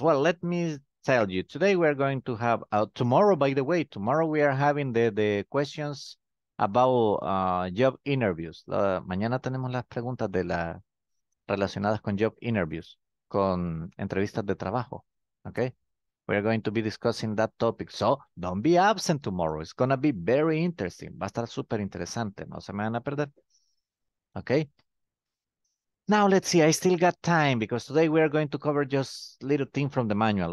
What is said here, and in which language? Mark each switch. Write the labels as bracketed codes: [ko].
[en] Well, let me tell you, today we're going to have tomorrow, by the way, tomorrow we are having the questions about job interviews. [es] Mañana tenemos las preguntas de la relacionadas con [en] job interviews, [es] con entrevistas de trabajo. [en] Okay, we're going to be discussing that topic, so don't be absent tomorrow. It's gonna be very interesting. [es] Va a estar súper interesante, no se me van a perder. Okay. [en] Now, let's see, I still got time because today we are going to cover just little thing from the manual.